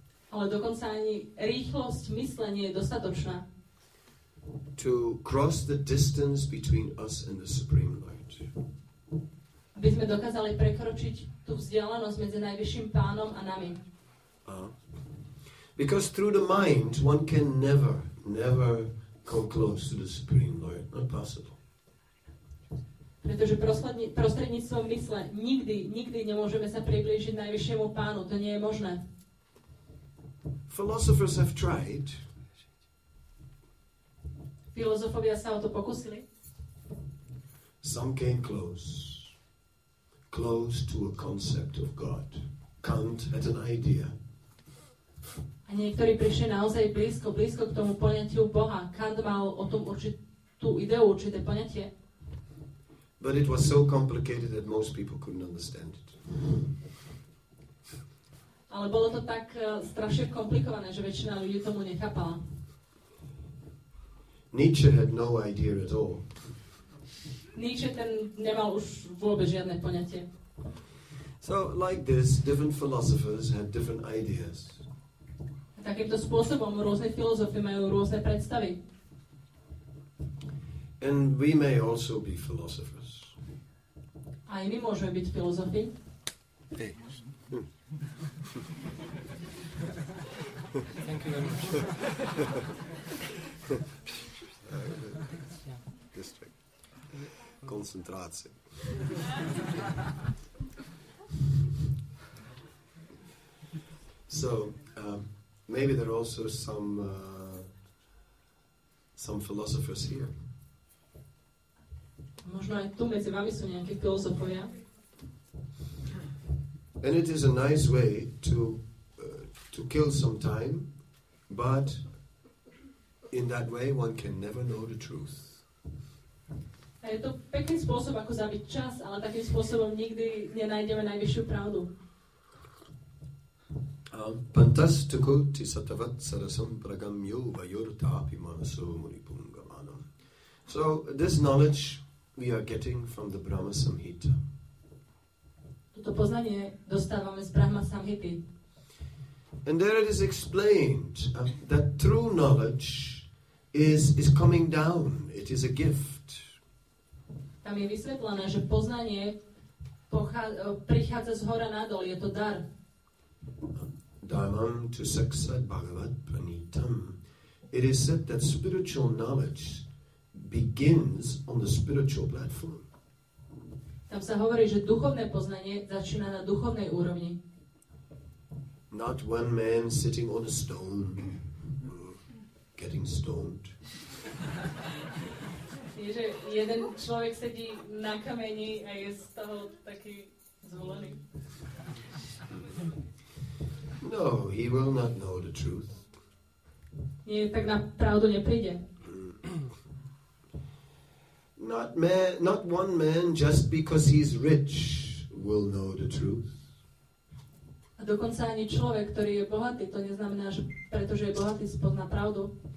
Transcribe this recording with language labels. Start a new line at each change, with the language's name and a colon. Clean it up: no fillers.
Slovak: Ale dokonca ani rýchlosť mysle nie je dostatočná.
English: To cross the distance between us and the Supreme Light.
Slovak: Aby sme dokázali prekročiť tú vzdialenosť medzi Najvyšším Pánom a nami.
English: Because through the mind one can never, never come close to the Supreme Light. Not possible.
Slovak: Pretože prostredníctvom mysle nikdy, nikdy nemôžeme sa priblížiť Najvyššiemu Pánu. To nie je možné.
English: Philosophers have tried.
Slovak: Filozofovia sa o to pokusili.
English: Some came close. Close to a concept of God. Kant had an idea.
Slovak: A niektorí prišli naozaj blízko, blízko k tomu poniatiu Boha. Kant mal o tom určitú ideu, určité poniatie.
English: But it was so complicated that most people couldn't understand it.
Slovak: Ale bolo to tak strašne komplikované, že väčšina ľudí tomu nechápala.
English: Nietzsche had no idea at all.
Slovak: Nietzsche ten nemal už vôbec žiadne poniatie.
English: So like this, different philosophers had different ideas.
Slovak: Takýmto spôsobom rôzne filozofy majú rôzne predstavy.
English: And we may also be philosophers.
Slovak: A my môžeme byť filozofi.
English: Hey. Thank you very much. District. Concentrácie. So, maybe there are also some philosophers here.
Slovak: Možno aj tu medzi vami sú nejakí filozofovia.
English: And it is a nice way to kill some time, but in that way one can never know the truth.
Slovak: A je to pekný spôsob, ako zabiť čas, ale takým spôsobom nikdy nenájdeme najvyššiu pravdu.
Sanskrit: Pantastuku tisatavat sarasam pragam yo vayur tapi manaso munipungamanam.
English: So this knowledge we are getting from the Brahma Samhita.
Slovak: Toto poznanie dostávame z Brahma Samhity.
English: And there it is explained that true knowledge is coming down. It is a gift.
Slovak: Tam je vysvetlené, že poznanie prichádza z hora nadol. Je to dar.
Sanskrit: Dharmam tu saksat bhagavat pranitam.
English: It is said that spiritual knowledge begins on the spiritual platform.
Slovak: Tam sa hovorí, že duchovné poznanie začína na duchovnej úrovni.
English: Not one man sitting on a stone getting stoned.
Slovak: Je, že jeden človek sedí na kameni a je z toho taký zvolený.
English: No, he will not know the truth.
Slovak: Nie, tak na pravdu nepríde.
English: Not one man just because he's rich will know the truth.
Slovak: A dokonca ani človek, ktorý je bohatý, to neznamená, že pretože je bohatý, spozná pravdu.